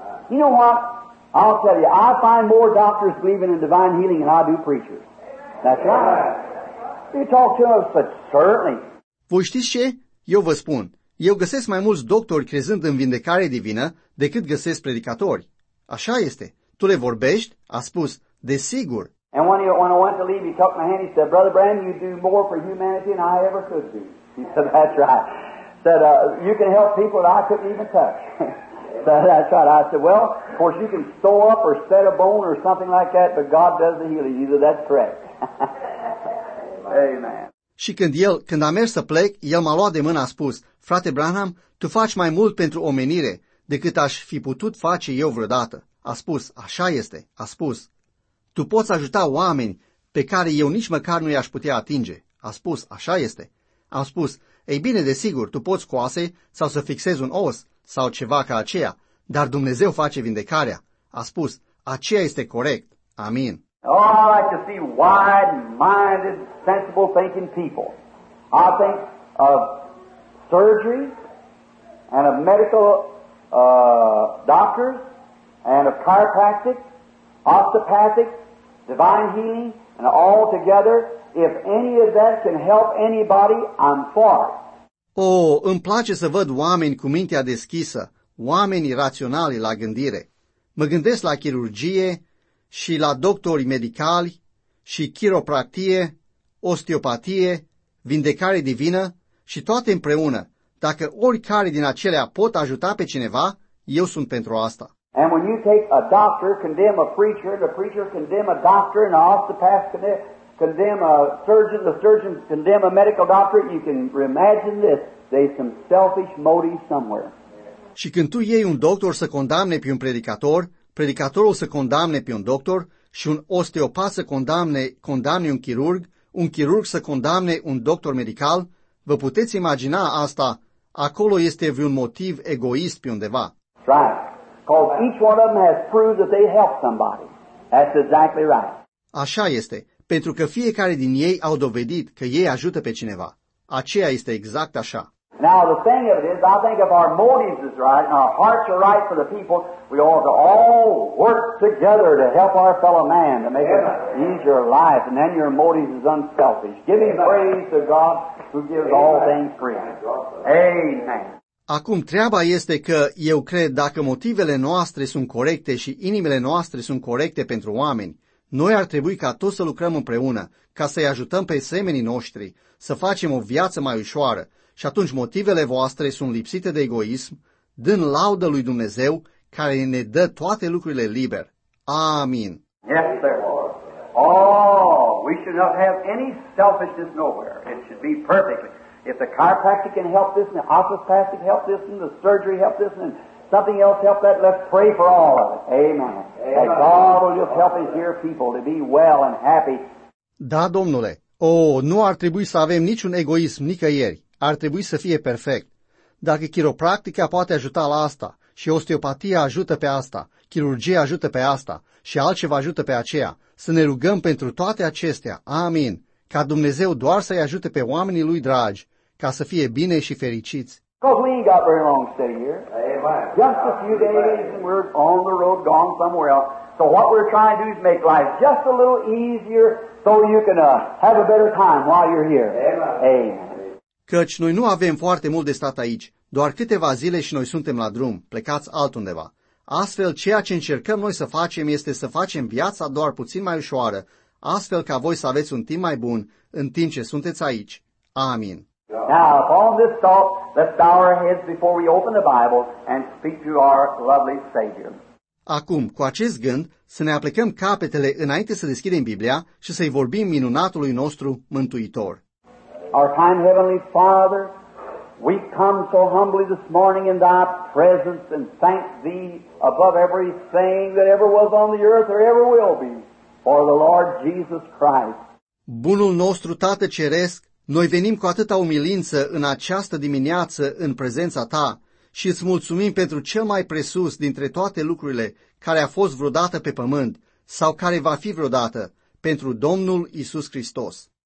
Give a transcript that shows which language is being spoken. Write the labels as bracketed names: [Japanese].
[English] You know what? I'll tell you, I find more doctors believing in divine healing than I do preachers. That's right. You talk to us, but certainly. [Romanian] Voi știți ce? Eu vă spun, eu găsesc mai mulți doctori crezând în vindecare divină decât găsesc predicatori. Așa este. Tu le vorbești? A spus, desigur. [English] And when I went to leave, he took my hand, he said, Brother Branham, you do more for humanity than I ever could do. He said, that's right. Said, you can help people that I couldn't even touch. Said, that's right. I said, well, of course, you can sew up or set a bone or something like that, but God does the healing. He said, that's correct. Amen. [Romanian] Și când a mers să plec, el m-a luat de mână, a spus, Frate Branham, tu faci mai mult pentru omenire decât aș fi putut face eu vreodată. A spus, așa este, a spus, tu poți ajuta oameni pe care eu nici măcar nu i-aș putea atinge. A spus, așa este. A spus, ei bine, desigur, tu poți coase sau să fixezi un os sau ceva ca aceea, dar Dumnezeu face vindecarea. A spus, aceea este corect. Amin. [English] Oh, I like to see wide-minded, sensible-thinking people. I think of surgery, and of medical doctors and of chiropractic, osteopathic, divine healing, and all together, if any of that can help anybody, I'm for it. [Romanian] Oh, îmi place să văd oameni cu mintea deschisă, oameni raționali la gândire. Mă gândesc la chirurgie și la doctori medicali și chiropractie, osteopatie, vindecare divină și toate împreună. Dacă oricare din acelea pot ajuta pe cineva, eu sunt pentru asta. [English] And when you take a doctor, condemn a preacher, the preacher condemn a doctor, and an osteopath condemn a surgeon, the surgeon condemn a medical doctor, you can imagine this, there's some selfish motive somewhere. [Romanian] Și când tu iei un doctor să condamne pe un predicator, predicatorul să condamne pe un doctor și un osteopat să condamne un chirurg, un chirurg să condamne un doctor medical, vă puteți imagina asta, acolo este un motiv egoist pe undeva. [English] Right. Because each one of them has proved that they help somebody. That's exactly right. [Romanian] Așa este, pentru că fiecare din ei au dovedit că ei ajută pe cineva. Aceea este exact așa. [English] Now the thing of it is, I think if our motives is right and our hearts are right for the people, we ought to all work together to help our fellow man, to make it easier life, and then your motives is unselfish. Give him praise to God who gives all things free. Amen. [Romanian] Acum treaba este că eu cred dacă motivele noastre sunt corecte și inimile noastre sunt corecte pentru oameni, noi ar trebui ca toți să lucrăm împreună, ca să-i ajutăm pe semenii noștri, să facem o viață mai ușoară. Și atunci motivele voastre sunt lipsite de egoism, dând laudă lui Dumnezeu care ne dă toate lucrurile liber. Amin. [English] Yes, sir. Oh, we should not have any selfishness nowhere. It should be perfect. If the chiropractic can help this, and the osteopathic help this, and the surgery help this, and something else help that, let's pray for all of it. Amen. That God will just help His dear people to be well and happy. [Romanian] Da, Domnule. Oh, nu ar trebui să avem niciun egoism nicăieri. Ar trebui să fie perfect. Dacă chiropractica poate ajuta la asta și osteopatia ajută pe asta, chirurgia ajută pe asta și altceva ajută pe aceea, să ne rugăm pentru toate acestea. Amin. Ca Dumnezeu doar să-i ajute pe oamenii lui dragi, ca să fie bine și fericiți. [English] Because we ain't got very long to stay here. Amen. Just a few days and we're on the road gone somewhere else. So what we're trying to do is make life just a little easier so you can have a better time while you're here. Amen. Amen. [Romanian] Căci noi nu avem foarte mult de stat aici, doar câteva zile și noi suntem la drum, plecați altundeva. Astfel, ceea ce încercăm noi să facem este să facem viața doar puțin mai ușoară, astfel ca voi să aveți un timp mai bun în timp ce sunteți aici. Amin. [English] Now, upon this thought, let's bow our heads before we open the Bible and speak to our lovely Savior. [Romanian] Acum, cu acest gând, să ne aplicăm capetele înainte să deschidem Biblia și să-i vorbim minunatului nostru Mântuitor. [English] Our kind Heavenly Father, we come so humbly this morning in Thy presence and thank Thee above everything that ever was on the earth or ever will be, for the Lord Jesus Christ. [Romanian] Bunul nostru Tată Ceresc, noi venim cu atâta umilință în această dimineață în prezența Ta și îți mulțumim pentru cel mai presus dintre toate lucrurile care a fost vreodată pe pământ sau care va fi vreodată, pentru Domnul Iisus Hristos.